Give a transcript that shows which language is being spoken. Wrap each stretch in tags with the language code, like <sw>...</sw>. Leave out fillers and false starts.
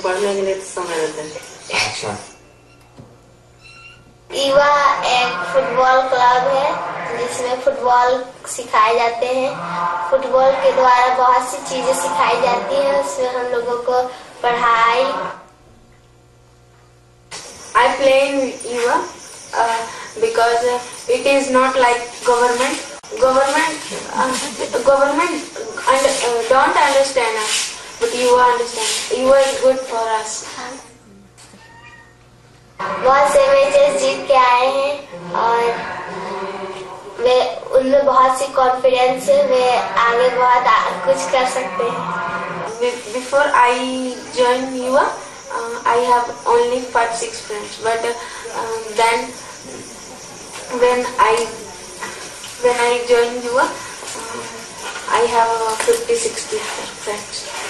<hi>padhne ke liye to samay dete hain. Eva एक football club है जिसमें फुटबॉल सिखाए जाते हैं. फुटबॉल के द्वारा बहुत सी चीजें सिखाई जाती हैं. उसमें हम लोगों को पढ़ाई.</hi> <en>I play in Yuwa because it is not like government. Government don't understand us, but Yuwa understand. Yuwa is good for us.</en> <hi>बहुत से मैचेस जीत के आए हैं और वे उनमें बहुत सी कॉन्फिडेंस है. वे आगे बहुत कुछ कर सकते हैं.</hi> <en>Before I join Yuwa I have only 5-6 friends but then when I join Yuwa I have 50-60 friends.</en>